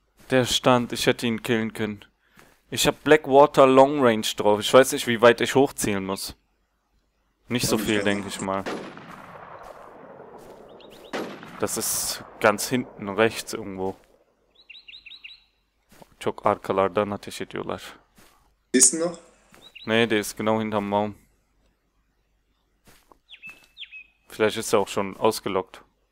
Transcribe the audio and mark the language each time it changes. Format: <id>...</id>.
<de>Der stand. Ich hätte ihn killen können. Ich habe Blackwater Long Range drauf. Ich weiß nicht, wie weit ich hochzielen muss. Nicht so Auch nicht viel, besser. denke ich mal. Das ist ganz hinten rechts irgendwo.</de> <tr>Çok arkalardan ateş ediyorlar.</tr> <de>Ist noch? Nee, der ist genau hinterm Baum. Vielleicht ist er auch schon ausgelockt.</de>